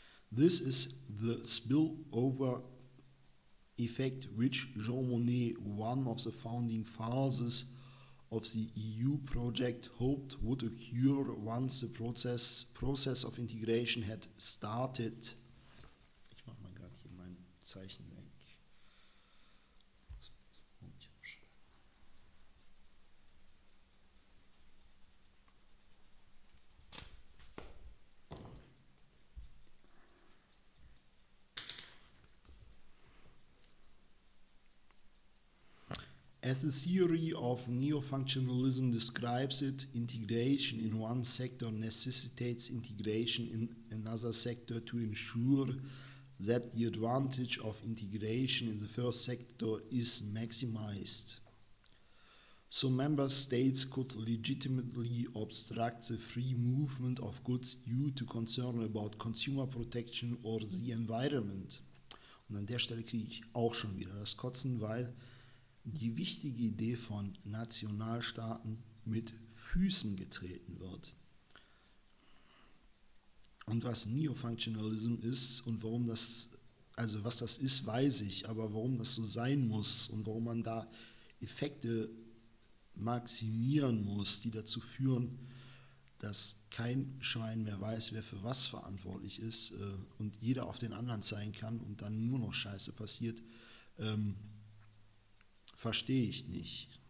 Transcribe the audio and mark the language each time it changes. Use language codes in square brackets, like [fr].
[en] This is the spillover effect which Jean Monnet, one of the founding fathers of the EU project, hoped would occur once the process of integration had started. [de] Ich mach mal grad hier mein Zeichen weg. [en] As the theory of neo-functionalism describes it, integration in one sector necessitates integration in another sector to ensure that the advantage of integration in the first sector is maximized. So member states could legitimately obstruct the free movement of goods due to concern about consumer protection or the environment. [de] Und an der Stelle kriege ich auch schon wieder das Kotzen, weil die wichtige Idee von Nationalstaaten mit Füßen getreten wird. Und was Neofunctionalism ist und warum das, also was das ist, weiß ich, aber warum das so sein muss und warum man da Effekte maximieren muss, die dazu führen, dass kein Schwein mehr weiß, wer für was verantwortlich ist und jeder auf den anderen zeigen kann und dann nur noch Scheiße passiert, verstehe ich nicht.